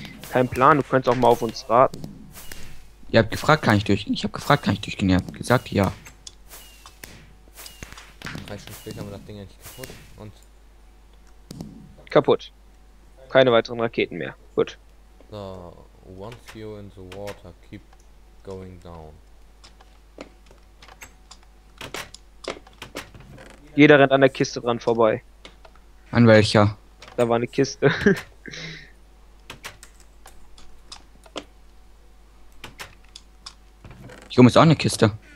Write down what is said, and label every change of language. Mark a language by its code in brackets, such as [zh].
[de] Kein Plan, du könntest auch mal auf uns warten. Ihr habt gefragt, kann ich durch? Ich habe gefragt, kann ich durchgehen? Ihr habt gesagt, ja. Drei Stunden später haben wir das Ding endlich kaputt und. Kaputt. Keine weiteren Raketen mehr. Gut. [en] So, once you're in the water, keep going down. [de] Jeder rennt an der Kiste dran vorbei. An welcher? Da war eine Kiste. Hier oben ist auch eine Kiste.